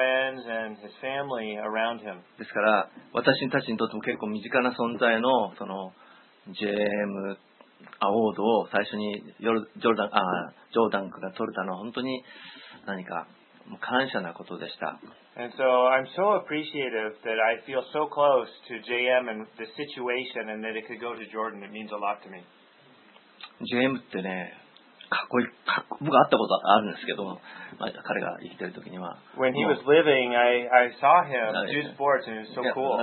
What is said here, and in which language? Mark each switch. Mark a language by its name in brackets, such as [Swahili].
[Japanese] ですから私たちにとっても結構身近な存在のその JM アウォードを最初にジョーダン君が取れたのは本当に何か感謝なことでした。 [English] And so I'm so appreciative that I feel so close to JM and the situation and that it could go to Jordan. It means a lot to me. [Japanese] JM ってね、かっこいい、かっこ、僕会ったことあるんですけども、まあ、彼が生きてる時には。 [English] When he was living, I saw him do sports and he was so cool.